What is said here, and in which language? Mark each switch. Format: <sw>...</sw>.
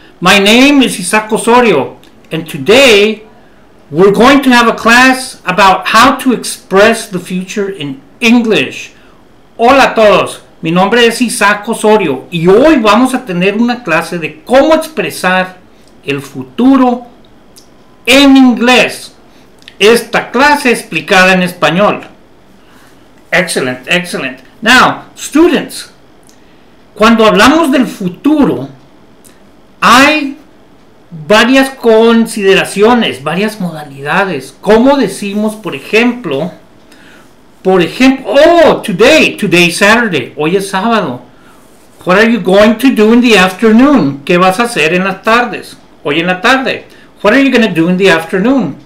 <en>My name is Isaac Osorio, and today we're going to have a class about how to express the future in English.</en> <es>Hola a todos. Mi nombre es Isaac Osorio, y hoy vamos a tener una clase de cómo expresar el futuro en inglés. Esta clase explicada en español.</es> <en>Excellent, excellent. Now, students,</en> <es>cuando hablamos del futuro, hay varias consideraciones, varias modalidades. ¿Cómo decimos, por ejemplo,</es> <en>oh, today is Saturday,</en> <es>hoy es sábado.</es> <en>What are you going to do in the afternoon?</en> <es>¿Qué vas a hacer en las tardes? Hoy en la tarde.</es> <en>What are you going to do in the afternoon?</en>